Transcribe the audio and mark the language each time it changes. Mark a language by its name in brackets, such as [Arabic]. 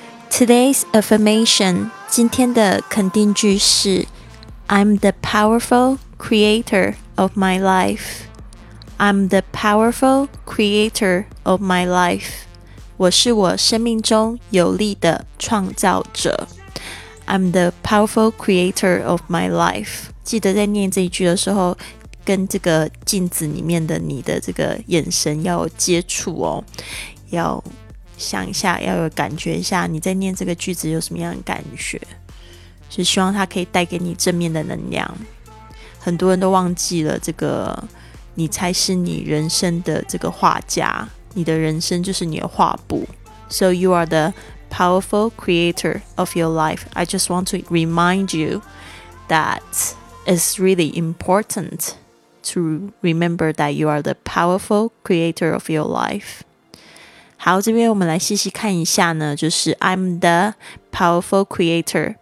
[English] Today's affirmation, [Chinese] 今天的肯定句是 [English] I'm the powerful creator of my life. I'm the powerful creator of my life. [Chinese] 我是我生命中有力的创造者。 [English] I'm the powerful creator of my life. [Chinese] 记得在念这一句的时候，跟这个镜子里面的你的这个眼神要接触哦，要想一下，要有感觉一下你在念这个句子有什么样的感觉，是希望它可以带给你正面的能量。很多人都忘记了这个，你才是你人生的这个画家，你的人生就是你的画布。 [English] So you are the powerful creator of your life. I just want to remind you that it's really important to remember that you are the powerful creator of your life. [Chinese] 好，这边我们来细细看一下呢，就是 [English] I'm the powerful creator.